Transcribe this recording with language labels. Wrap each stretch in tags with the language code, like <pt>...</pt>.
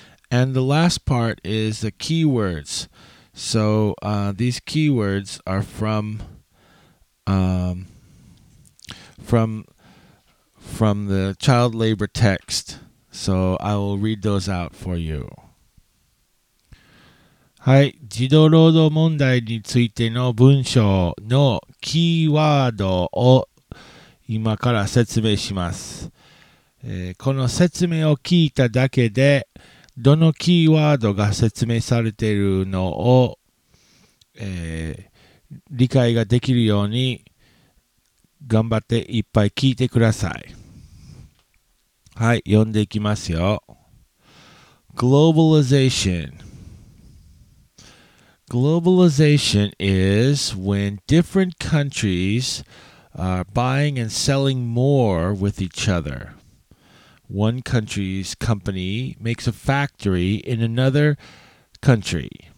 <en>And the last part is the keywords. So, these keywords are from the child labor text. So, I will read those out for you.</en> <ja>はい、児童労働問題についての文章のキーワードを今から説明します。この説明を聞いただけで、どのキーワードが説明されているのを、理解ができるように頑張っていっぱい聞いてください。はい、読んでいきますよ。</ja> <en>Globalization. Globalization is when different countries are buying and selling more with each other. One country's company makes a factory in another country.</en>